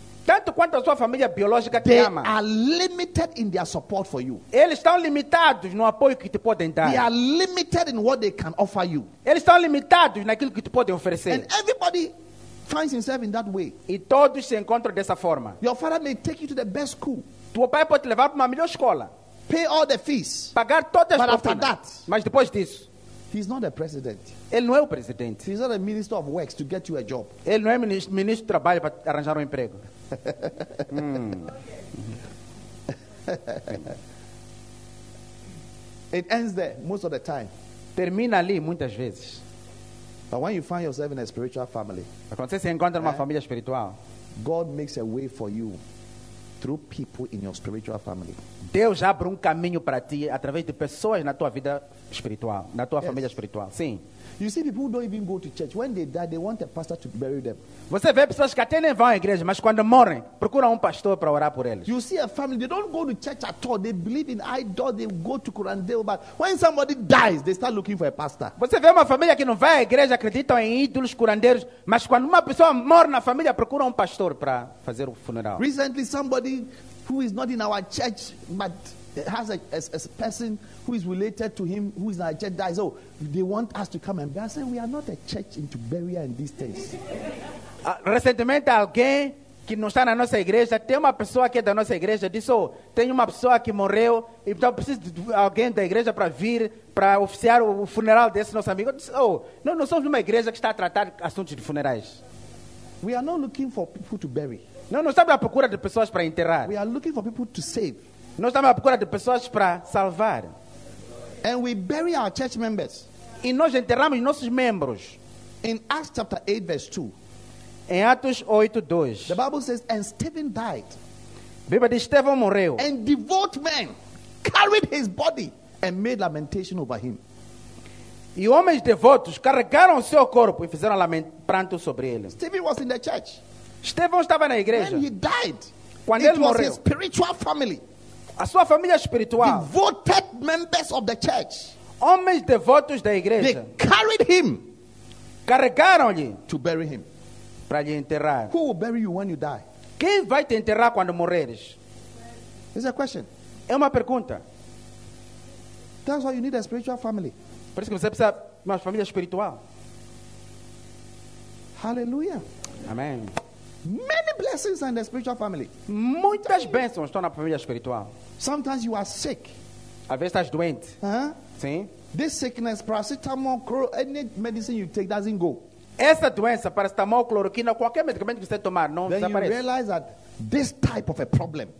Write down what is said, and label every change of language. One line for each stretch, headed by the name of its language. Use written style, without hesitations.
Portuguese: Tanto quanto a sua família biológica te ama.
English: They are limited in their support for you.
Portuguese: Eles estão limitados no apoio que te podem dar.
English: They are limited in what they can offer you.
Portuguese: Eles estão limitados naquilo que te podem oferecer.
English: And everybody finds himself in that way.
Portuguese: E todos se encontram dessa forma.
English: Your father may take you to the best school.
Portuguese: Tua pai pode te levar para uma melhor escola.
English: Pay all the fees.
Portuguese: Pagar todas as contas.
English: But after that.
Portuguese: Mas depois disso.
English: He's not the president.
Portuguese: Ele não é o presidente.
English: He's not a minister of works to get you a job.
Portuguese: Ele não é ministro de trabalho para arranjar emprego.
English: It ends there most of the time.
Portuguese: Termina ali muitas vezes.
English: But when you find yourself in a spiritual family,
Portuguese: quando você se encontra numa família espiritual,
English: God makes a way for you through people in your spiritual family.
Portuguese: Deus abre caminho para ti através de pessoas na tua vida espiritual, na tua família espiritual. Sim.
English: You see people who don't even go to church. When they die, they want a pastor to bury them.
Portuguese: Você vê pessoas que até nem vão à igreja, mas quando morrem, procuram pastor para orar por eles.
English: You see a family, they don't go to church at all. They believe in idol, they go to curandeiro, but when somebody dies, they start looking for a pastor.
Portuguese: Você vê uma família que não vai à igreja, acreditam em ídolos, curandeiros, mas quando uma pessoa morre na família, procura pastor para fazer o funeral.
English: Recently somebody who is not in our church but has a person who is related to him who is in our church dies. Oh, they want us to come and bury. I said, we are not a church into burial and these things.
Portuguese: Recentemente alguém que não está na nossa igreja, tem uma pessoa que é da nossa igreja, disse, oh, tem uma pessoa que morreu, então precisa de alguém da igreja para vir, para oficiar o funeral desse nosso amigo. Eu disse, oh, nós não somos uma igreja que está a tratar assuntos de funerais.
English: We are not looking for people to bury.
Portuguese: Não estamos à procura de pessoas para enterrar.
English: We are looking for people to save.
Portuguese: Nós estamos à procura de pessoas para salvar.
English: And we bury our church members.
Portuguese: E nós enterramos nossos membros.
English: In Acts chapter 8 verse 2.
Portuguese: Em Atos 8:2.
English: The Bible says, and Stephen died.
Portuguese: Viva de Estevão morreu.
English: And devout men carried his body and made lamentation over him.
Portuguese: E homens devotos carregaram o seu corpo e fizeram pranto sobre ele.
English: Stephen was in the church.
Portuguese: Estevão estava na igreja.
English: When he died,
Portuguese: quando ele morreu,
English: it was his spiritual family.
Portuguese: A sua família espiritual.
English: Devoted members of the church.
Portuguese: Homens devotos da igreja.
English: They carried him.
Portuguese: Carregaram-lhe.
English: To bury him.
Portuguese: Para lhe enterrar.
English: Who will bury you when you die?
Portuguese: Quem vai te enterrar quando morreres?
English: It's a question.
Portuguese: É uma pergunta.
English: That's why you need a spiritual family.
Portuguese: Por isso que você precisa de uma família espiritual.
English: Hallelujah.
Portuguese: Amém.
English: Many blessings are in the spiritual family.
Portuguese: Muitas bênçãos estão na família espiritual.
English: Sometimes you are sick.
Portuguese: Às vezes estás doente. Sim.
English: This sickness, paracetamol, any medicine you take doesn't go.
Portuguese: Essa doença, paracetamol, cloroquina, qualquer medicamento que você tomar, não
English: then
Portuguese: desaparece.
English: Then you realize that this type of a problem.